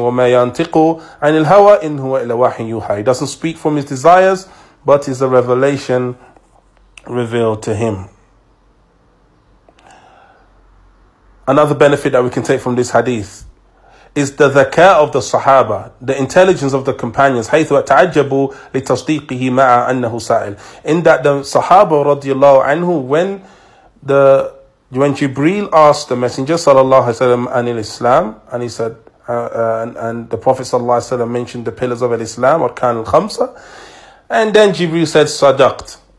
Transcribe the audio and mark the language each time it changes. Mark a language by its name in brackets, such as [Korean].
[Arabic] وَمَا يَنْتِقُ عَنِ الْهَوَىٰ إِنْ هُوَ إِلَّا وَحْيٌ يُوحَىٰ. [English] He doesn't speak from his desires, but is a revelation revealed to him. Another benefit that we can take from this hadith is the ذَكَاء of the Sahaba, the intelligence of the companions. [Arabic] حَيْثُ أَتَعَجَّبُوا لِتَصْدِيقِهِ مَعَ أَنَّهُ سَائِلٌ. [English] In that the Sahaba رضي الله عنه, when Jibreel asked the messenger sallallahu alaihi wasallam anil Islam, and he said, and the Prophet sallallahu alaihi wasallam mentioned the pillars of al-Islam, or kan al-khamsa, and then Jibreel said, "Sadaqt."